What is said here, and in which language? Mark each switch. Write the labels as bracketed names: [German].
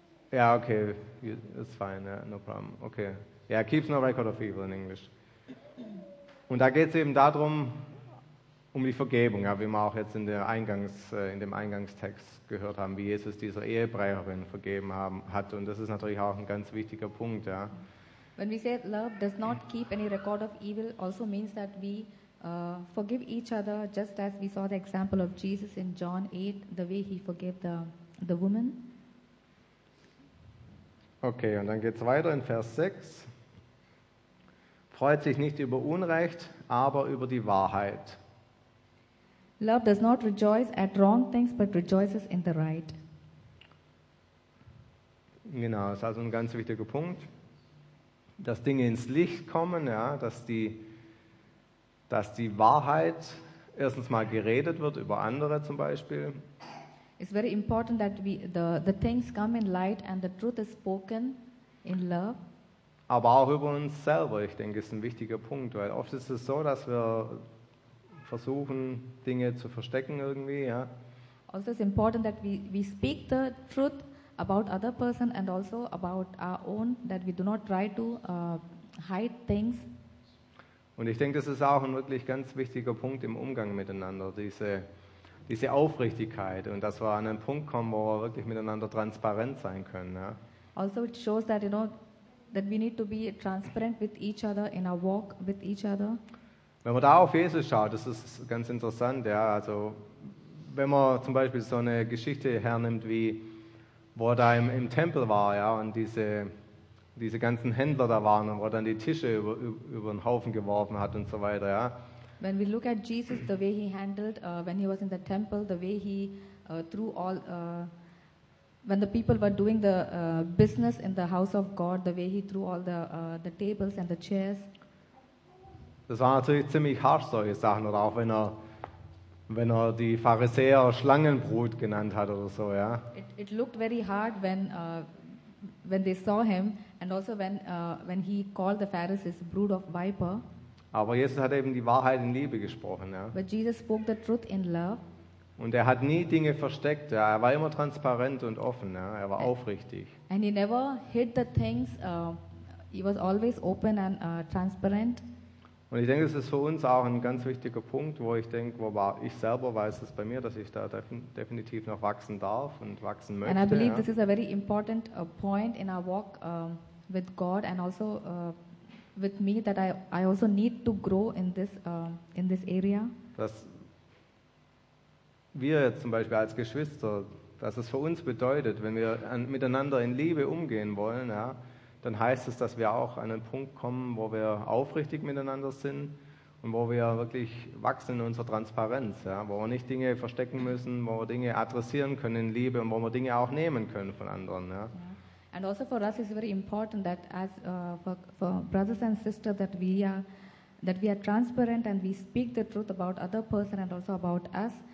[English] Ja, okay, it's fine, yeah, no problem. Okay, yeah, keeps no record of evil in English. [German] Und da geht es eben darum, um die Vergebung, ja, wie wir auch jetzt in dem Eingangstext gehört haben, wie Jesus dieser Ehebrecherin vergeben hat. Und das ist natürlich auch ein ganz wichtiger Punkt. Ja. [English] When we say love does not keep any record of evil, also means that we forgive each other, just as we saw the example of Jesus in John 8, the way he forgave the woman. [German] Okay, und dann geht es weiter in Vers 6. Freut sich nicht über Unrecht, aber über die Wahrheit. [English] Love does not rejoice at wrong things, but rejoices in the right. [German] Genau, das ist also ein ganz wichtiger Punkt. Dass Dinge ins Licht kommen, ja, dass die Wahrheit erstens mal geredet wird über andere zum Beispiel. [English] It's very important that the things come in light and the truth is spoken in love. [German] Aber auch über uns selber, ich denke, ist ein wichtiger Punkt, weil oft ist es so, dass wir versuchen, Dinge zu verstecken irgendwie, ja. [English] Also it's important that we speak the truth about other person and also about our own, that we do not try to hide things. [German] Und ich denke, das ist auch ein wirklich ganz wichtiger Punkt im Umgang miteinander, diese Aufrichtigkeit und dass wir an einen Punkt kommen, wo wir wirklich miteinander transparent sein können, ja. [English] Also it shows that, you know, that we need to be transparent with each other in our walk with each other. [German] Wenn man da auf Jesus schaut, das ist ganz interessant, ja, also wenn man zum Beispiel so eine Geschichte hernimmt, wie wo er da im Tempel war, ja, und diese ganzen Händler da waren und wo er dann die Tische über den Haufen geworfen hat und so weiter, ja. [English] When we look at Jesus, the way he handled, when he was in the temple, the way he threw all... When the people were doing the business in the house of God, the way he threw all the tables and the chairs. [German] Das waren natürlich ziemlich harsh solche Sachen, oder auch wenn er die Pharisäer Schlangenbrut genannt hat oder so, ja. [English] It looked very hard when they saw him, and also when he called the Pharisees brood of viper. [German] Aber Jesus hat eben die Wahrheit in Liebe gesprochen, ja. [English] But Jesus spoke the truth in love. [German] Und er hat nie Dinge versteckt. Ja. Er war immer transparent und offen. Ja. Er war aufrichtig. [English] And he never hid the things. He was always open and transparent. [German] Und ich denke, das ist für uns auch ein ganz wichtiger Punkt, wo ich denke, ich selber weiß es bei mir, dass ich da definitiv noch wachsen darf und wachsen möchte. [English] And I believe, ja, this is a very important point in our walk with God and also with me, that I also need to grow in this area. [German] Das wir jetzt zum Beispiel als Geschwister, dass es für uns bedeutet, wenn wir miteinander in Liebe umgehen wollen, ja, dann heißt es, dass wir auch an einen Punkt kommen, wo wir aufrichtig miteinander sind und wo wir wirklich wachsen in unserer Transparenz, ja, wo wir nicht Dinge verstecken müssen, wo wir Dinge adressieren können in Liebe und wo wir Dinge auch nehmen können von anderen. Ja. [English] And also for us it's very important that as for brothers and sisters that we are transparent and we speak the truth about other person and also about us.